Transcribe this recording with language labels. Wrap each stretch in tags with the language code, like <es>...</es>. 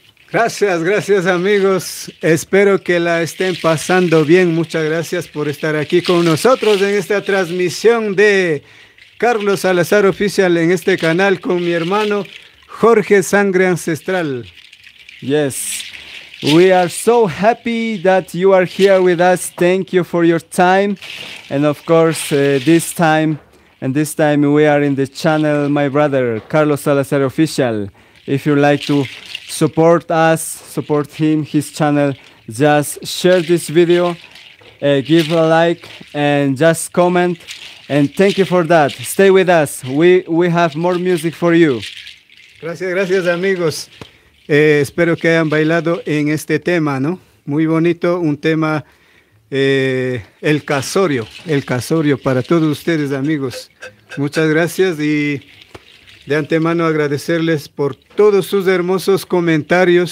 <es>Gracias, gracias amigos. Espero que la estén pasando bien. Muchas gracias por estar aquí con nosotros en esta transmisión de Carlos Salazar Oficial en este canal con mi hermano Jorge Sangre Ancestral.</es> <en>Yes, we are so happy that you are here with us. Thank you for your time. And of course, this time we are in the channel, my brother, Carlos Salazar Oficial. If you like to support us, support him, his channel, just share this video, give a like, and just comment. And thank you for that. Stay with us. We have more music for you.</en> <es>Gracias, gracias, amigos. Espero que hayan bailado en este tema, ¿no? Muy bonito, un tema, el casorio para todos ustedes, amigos. Muchas gracias y de antemano agradecerles por todos sus hermosos comentarios.</es>